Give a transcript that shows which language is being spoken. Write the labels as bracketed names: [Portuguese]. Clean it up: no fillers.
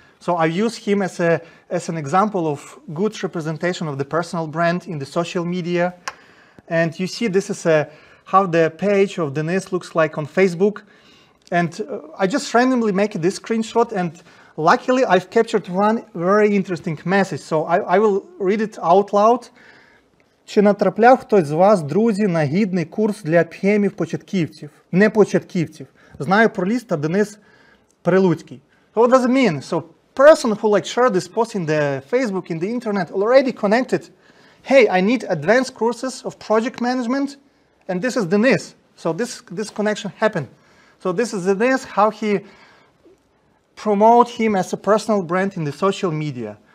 [English] So I use him as an example of good representation of the personal brand in the social media. And you see this is how the page of Denis looks like on Facebook. And I just randomly make this screenshot and luckily I've captured one very interesting message. So I will read it out loud. [Ukrainian] Чи натрапляв хтось з вас, друзі, на гідний курс для PM-ів початківців? Не початківців. Знаю про ліс та Денис Прилуцький. [English] So what does it mean? So person who like shared this post in the Facebook, in the internet, already connected. Hey, I need advanced courses of project management. And this is Denis. So this connection happened. So this is Denis, how he promote him as a personal brand in the social media.